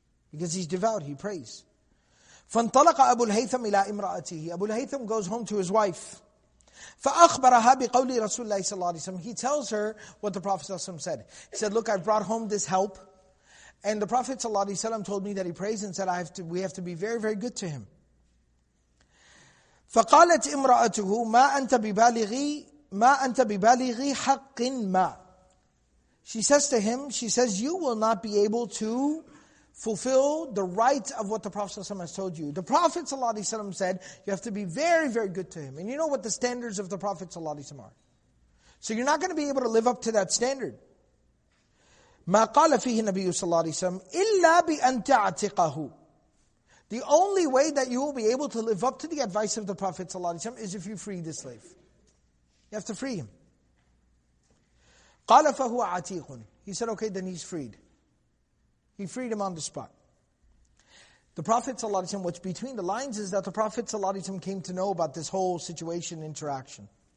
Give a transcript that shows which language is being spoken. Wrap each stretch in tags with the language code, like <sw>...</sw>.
<en>Because he's devout, he prays.</en> <ar>فَانْطَلَقَ أَبُو الْهَيْثَمِ إِلَىٰ إِمْرَأَتِهِ.</ar> <en>Abu al-Haytham goes home to his wife.</en> <ar>فَأَخْبَرَهَا بِقَوْلِ رَسُولِ اللَّهِ صَلَّى اللَّهِ عَلَيْهِ وَسَلَّمَ.</ar> <en>He tells her what the Prophet ﷺ said. He said, look, I brought home this help. And the Prophet ﷺ told me that he prays and said, we have to be very, very good to him.</en> <ar>فَقَالَتْ إِمْرَأَتُهُ مَا أَنْتَ بِبَالِغِي حَقٍ مَا.</ar> <en>She says to him, she says, you will not be able to fulfill the right of what the Prophet ﷺ has told you. The Prophet ﷺ said, you have to be very, very good to him. And you know what the standards of the Prophet ﷺ are. So you're not going to be able to live up to that standard.</en> <ar>ما قال فيه النبي صلى الله عليه وسلم إلا بأن تعتقه.</ar> <en>The only way that you will be able to live up to the advice of the Prophet ﷺ is if you free the slave. You have to free him.</en> <ar>قَالَ فَهُوَ عَتِيقٌ</ar> <en>He said, okay, then he's freed. He freed him on the spot. The Prophet ﷺ, what's between the lines is that the Prophet ﷺ came to know about this whole situation, interaction.</en>